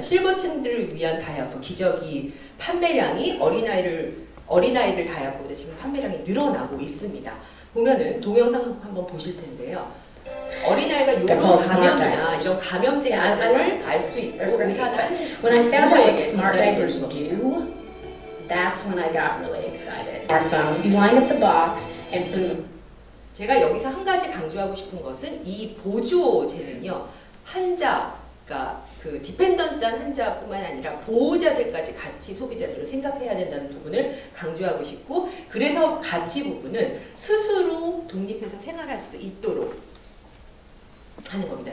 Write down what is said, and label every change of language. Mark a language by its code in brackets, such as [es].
[ko] 실버층들을 위한 다이아포 기저귀 판매량이 어린아이들 다이아포보다 지금 판매량이 늘어나고 있습니다. 보면은 동영상 한번 보실 텐데요. 어린아이가 요런 감염이나 이런 감염된 것들을 알 수 있고 의사는 [en] When I found out what smart diapers do, that's when I got really excited. You line up the box and boom. [ko] 제가 여기서 한 가지 강조하고 싶은 것은 이 보조제는요. 환자가 그 디펜던스한 환자뿐만 아니라 보호자들까지 같이 소비자들을 생각해야 된다는 부분을 강조하고 싶고 그래서 가치 부분은 스스로 독립해서 생활할 수 있도록 하는 겁니다.